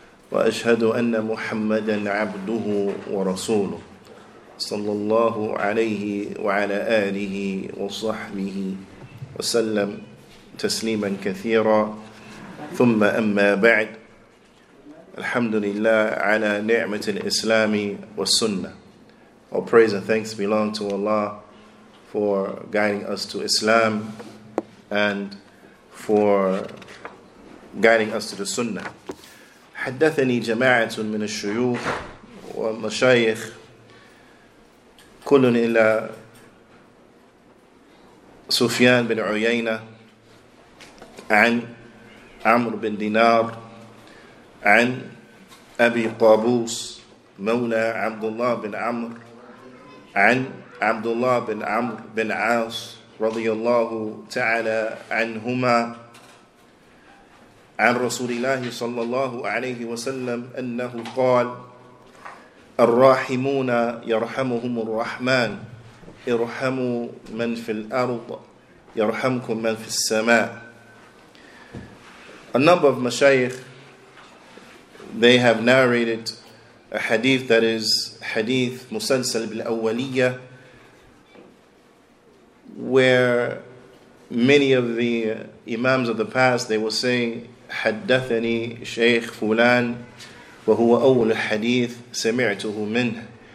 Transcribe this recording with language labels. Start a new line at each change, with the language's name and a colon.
Arabic: وأشهد أن محمدا عبده ورسوله صلى الله عليه وعلى آله وصحبه وسلم تسليما كثيرا ثم أما بعد الحمد لله على نعمة الإسلام والسنة.
English: All praise and thanks belong to Allah for guiding us to Islam and for guiding us to the Sunnah.
Arabic: حدثني جماعة من الشيوخ والمشايخ كل إلى سفيان بن عيينة عن عمرو بن دينار عن أبي قابوس مولى عبد الله بن عمرو عن عبد الله بن عمرو بن عاص رضي الله تعالى عنهما عن رسول الله صلى الله عليه وسلم أنه قال الراحمون يرحمهم الرحمن ارحموا من في الأرض يرحمكم من في السماء.
English: A number of mashayikh, they have narrated a hadith that is hadith musalsal bil awwaliyya, where many of the imams of the past, they will say
Arabic: حدثني شيخ فلان وهو أول حديث سمعته منه.